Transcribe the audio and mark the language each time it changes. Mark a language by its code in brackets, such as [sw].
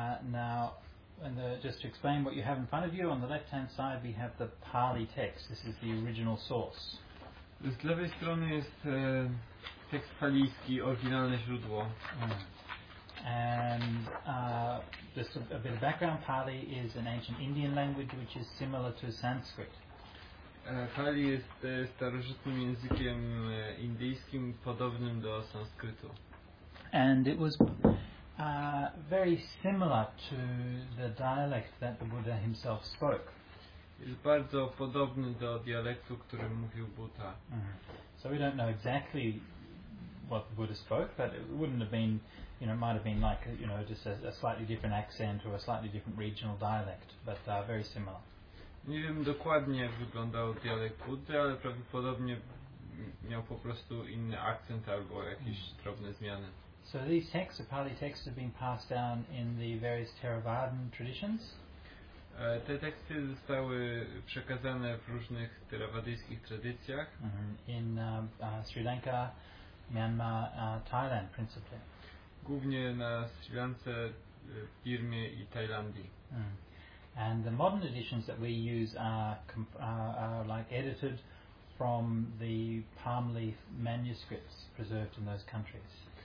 [en] Now, and just to explain what you have in front of you, on the left-hand side we have the Pali text. This is the original source. [pl] Z lewej strony jest tekst palijski, oryginalne źródło. Mm. [en] And just a bit of background, Pali is an ancient Indian language which is similar to Sanskrit. [pl] Pali jest starożytnym językiem indyjskim, podobnym do sanskrytu. [en] And it was very similar to the dialect that the Buddha himself spoke. [pl] Jest bardzo podobny do dialektu, którym mówił Buddha. Mm. [en] So we don't know exactly what the Buddha spoke, but it wouldn't have been, you know, it might have been like, you know, just a slightly different accent or a slightly different regional dialect, but very similar. [pl] Nie wiem dokładnie, jak wyglądał dialekt Buddha, ale prawdopodobnie miał po prostu inny akcent albo jakieś drobne zmiany. [en] So these texts, the Pali texts, have been passed down in the various Theravadan traditions. [pl] Te teksty zostały przekazane w różnych terawadyjskich tradycjach. Mm-hmm. [en] In Sri Lanka, Myanmar, Thailand, principally. [pl] Głównie na Sri Lance, Birmie i Tajlandii. Mm. [en] And the modern editions that we use are like edited from the palm leaf manuscripts preserved in those countries.